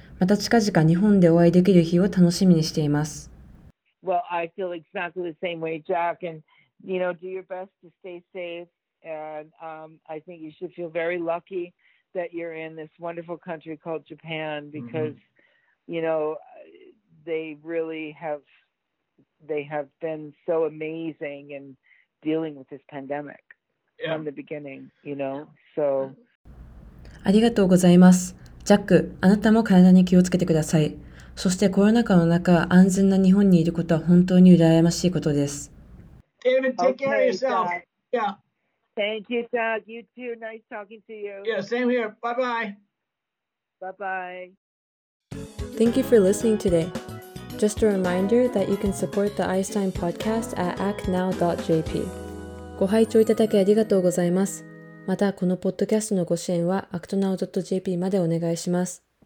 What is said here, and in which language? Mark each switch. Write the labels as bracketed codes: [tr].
[ja] また近々日本でお会いできる日を楽しみにしています。 [en] Well, I feel exactly the same way, Jack. And, you know, do your best to stay safe. And I think you should feel very lucky that you're in this wonderful country called Japan because, you know, They have been so amazing in dealing with this pandemic from the beginning, you know. So. [ja] ありがとうございます。ジャック、あなたも体に気をつけてください。そしてコロナ禍の中、安全な日本にいることは本当に羨ましいことです。 [en] David, take care of yourself. Yeah. Thank you, Doug. You too. Nice talking to you. Yeah, same here. Bye bye. Bye bye. Thank you for listening today. Just a reminder that you can support the iStime podcast at actnow.jp. [ja] ご拝聴いただきありがとうございます。またこのポッドキャストのご支援は actnow.jp までお願いします。